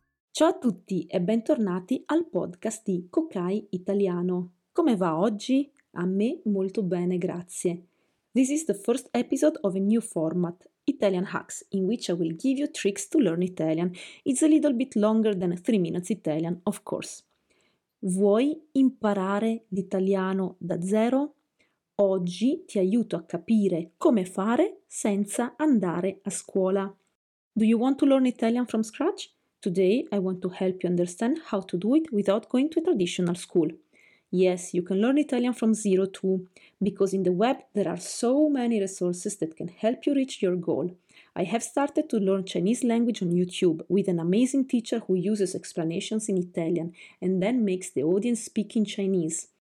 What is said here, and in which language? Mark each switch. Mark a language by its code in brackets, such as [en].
[it] Ciao a tutti e bentornati al podcast di Kokai Italiano. Come va oggi? A me molto bene, grazie. [en] This is the first episode of a new format, Italian Hacks, in which I will give you tricks to learn Italian. It's a little bit longer than 3 minutes Italian, of course. [it] Vuoi imparare l'italiano da zero? Oggi ti aiuto a capire come fare senza andare a scuola. [en] Do you want to learn Italian from scratch? Today I want to help you understand how to do it without going to a traditional school. Yes, you can learn Italian from zero too, because in the web there are so many resources that can help you reach your goal. I have started to learn Chinese language on YouTube with an amazing teacher who uses explanations in Italian and then makes the audience speak in Chinese.